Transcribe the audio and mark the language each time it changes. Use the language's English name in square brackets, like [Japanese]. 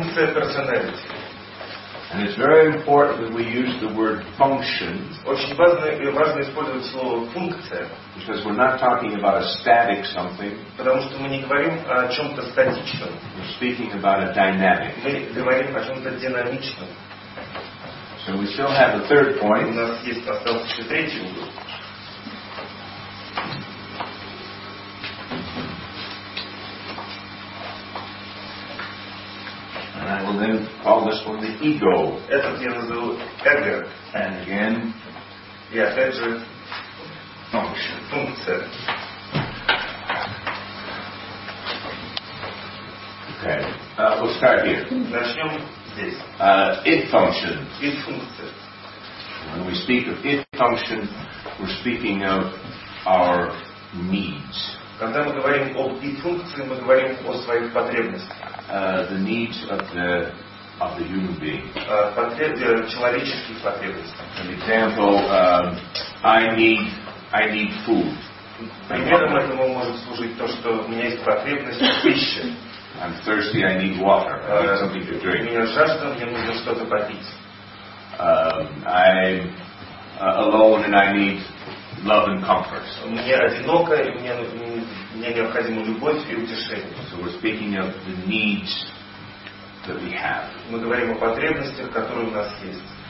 [English] And it's very important that we use the word function. [Russian] Очень важно, важно использовать слово функция. [English] Because we're not talking about a static something. [Russian] Потому что мы не говорим о чем-то статичном. [English] We're speaking about a dynamic. [Russian] Мы говорим о чем-то динамичном. [English] So we still have a third point. [Russian] У нас есть осталось еще третий угол. [English] I will then call this one the ego. [Russian] Этот я назову эго. [English] And again. [Russian] Yeah, опять же. [English] Function. [Russian] Функция. [English] Okay. We'll start here. [Russian] Начнем здесь. [English] It function. [Russian] It функция. [English] When we speak of it function, we're speaking of our needs. [Russian] Когда мы говорим об их функции, мы говорим о своих потребностях. [English] The human being. [Russian] Человеческих потребностей. [English] An example, I need food. [Russian] Примером этому может служить то, что у меня есть потребность в пище. [English] I'm thirsty, I need water. I need something to drink. [Russian] У меня жажда, мне нужно что-то попить. [English] I'm alone and I need love and comfort. [Russian] Мне одиноко, и мне необходима любовь и утешение. [English] So we're speaking of the needs that we have. [Russian] Мы говорим о потребностях, которые у нас есть.